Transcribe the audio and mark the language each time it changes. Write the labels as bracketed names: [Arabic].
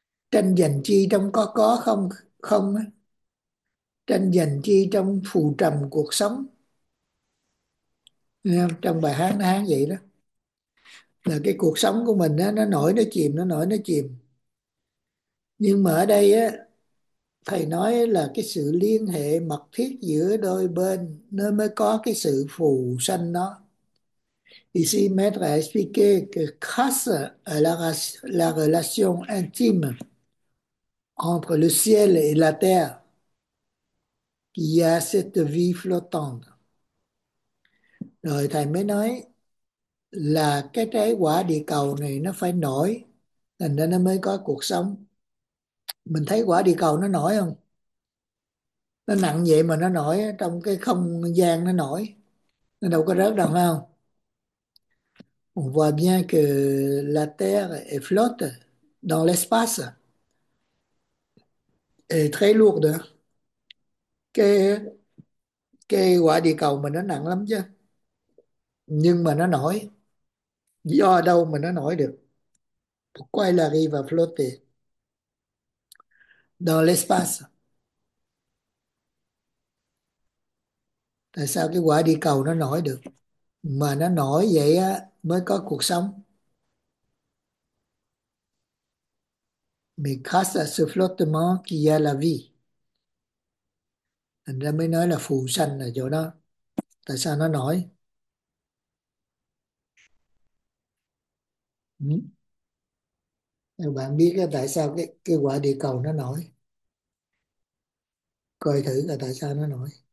[Vietnamese] Tranh giành chi trong có không không á, tranh giành chi trong phù trầm cuộc sống, trong bài hát nó hát vậy đó, là cái cuộc sống của mình đó, nó nổi nó chìm, nó nổi nó chìm. Nhưng mà ở đây á, thầy nói là cái sự liên hệ mật thiết giữa đôi bên nó mới có cái sự phù sanh đó. [French] Ici, maître a expliqué que grâce à la relation intime entre le ciel et la terre, qu'il y a cette vie flottante. [Vietnamese] Rồi thầy mới nói là cái trái quả địa cầu này nó phải nổi, thành ra nó mới có cuộc sống. Mình thấy quả địa cầu nó nổi không? Nó nặng vậy mà nó nổi, trong cái không gian nó nổi, nó đâu có rớt đâu, phải không? [French] On voit bien que la Terre est flotte dans l'espace. Est très lourde. [Vietnamese] Cái quả địa cầu mình nó nặng lắm chứ. Nhưng mà nó nổi. Do đâu mà nó nổi được? [French] Pourquoi la vie va flotter dans l'espace? [Vietnamese] Tại sao cái quả địa cầu nó nổi được? Mà nó nổi vậy á, mới có cuộc sống. [French] Mais grâce à ce flottement qu'il y a la vie. [Vietnamese] Thành ra mới nói là phù sanh ở chỗ đó. Tại sao nó nổi? Bạn biết là tại sao cái quả địa cầu nó nổi? Coi thử là tại sao nó nổi.